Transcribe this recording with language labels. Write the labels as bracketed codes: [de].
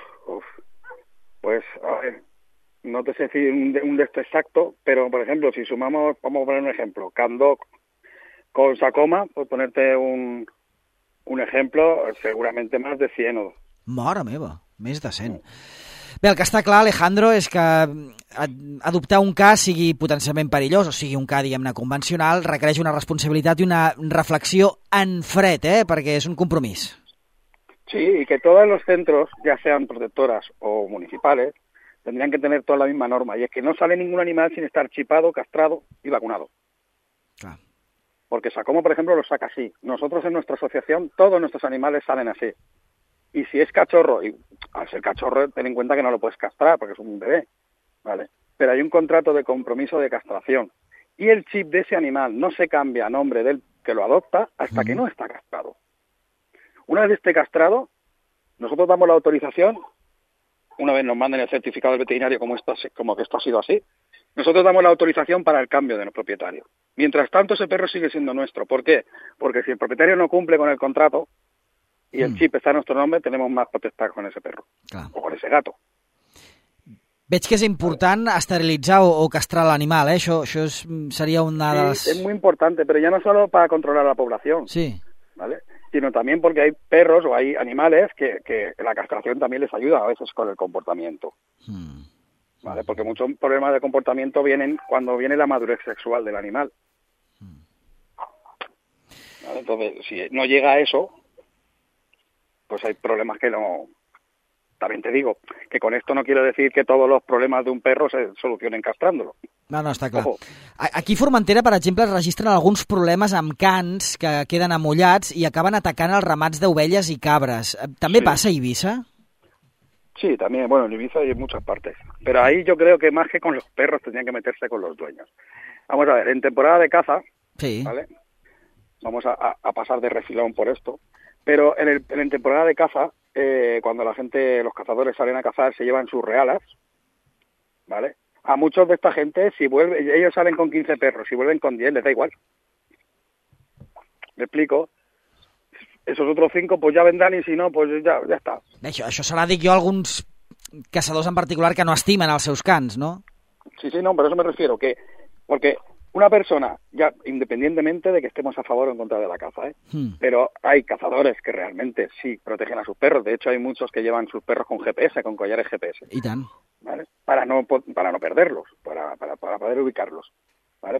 [es] Uf, pues, a ver... no te sé decir un texto exacto, pero por ejemplo, si sumamos, vamos a poner un ejemplo, Candoc con Sacoma, por ponerte un ejemplo, seguramente más de 100. [ca] Mare meva, més de 100. Bé, el que està clar, Alejandro, és que adoptar un ca sigui potencialment perillós, o sigui, un ca, diguem-ne, convencional, requereix una responsabilitat i una reflexió en fred, eh? Perquè és un compromís. [es] Sí, y que todos los centros, ya sean protectoras o municipales, tendrían que tener toda la misma norma. Y es que no sale ningún animal sin estar chipado, castrado y vacunado. Ah. Porque Sacoma, por ejemplo, lo saca así. Nosotros en nuestra asociación, todos nuestros animales salen así. Y si es cachorro, y al ser cachorro, ten en cuenta que no lo puedes castrar porque es un bebé, ¿vale? Pero hay un contrato de compromiso de castración. Y el chip de ese animal no se cambia a nombre del que lo adopta hasta que no está castrado. Una vez esté castrado, nosotros damos la autorización, una vez nos manden el certificado del veterinario como que esto ha sido así, nosotros damos la autorización para el cambio de propietario. Mientras tanto, ese perro sigue siendo nuestro. ¿Por qué? Porque si el propietario no cumple con el contrato y el chip está a nuestro nombre, tenemos más potestad con ese perro o con ese gato. [ca] Veig que és important esterilitzar o castrar l'animal, eh? Això és, seria una de les... Sí, és molt important, però ja no [es] solo para controlar [ca] la població. Sí. [es] ¿Vale? Sino también porque hay perros o hay animales que la castración también les ayuda a veces con el comportamiento. ¿Vale? Porque muchos problemas de comportamiento vienen cuando viene la madurez sexual del animal. ¿Vale? Entonces, si no llega a eso, pues hay problemas que no... También te digo que con esto no quiero decir que todos los problemas de un perro se solucionen castrándolo. [ca] No, no, està clar. Aquí a Formentera, per exemple, es registren alguns problemes amb cans que queden amollats i acaben atacant els ramats d'ovelles i cabres. També passa a Eivissa? Sí, també. [es] Bueno, en Eivissa hay muchas partes. Pero ahí yo creo que más que con los perros tendrían que meterse con los dueños. Vamos a ver, en temporada de caza, sí. ¿Vale? Vamos a pasar de refilón por esto, pero en temporada de caza, cuando la gente, los cazadores salen a cazar, se llevan sus realas, ¿vale? A muchos de esta gente, si vuelven, ellos salen con 15 perros, si vuelven con 10, les da igual. ¿Me explico? Esos otros 5, pues ya vendrán y si no, pues ya está. [ca] Això se l'ha dit jo a alguns caçadors en particular que no estimen els seus cans, no? [es] Sí, sí, no, pero eso me refiero, que... Porque una persona, ya independientemente de que estemos a favor o en contra de la caza, ¿eh? Pero hay cazadores que realmente sí protegen a sus perros. De hecho, hay muchos que llevan sus perros con GPS, con collares GPS. [ca] Y tan. [es] ¿Vale? Para no perderlos, para poder ubicarlos. ¿Vale?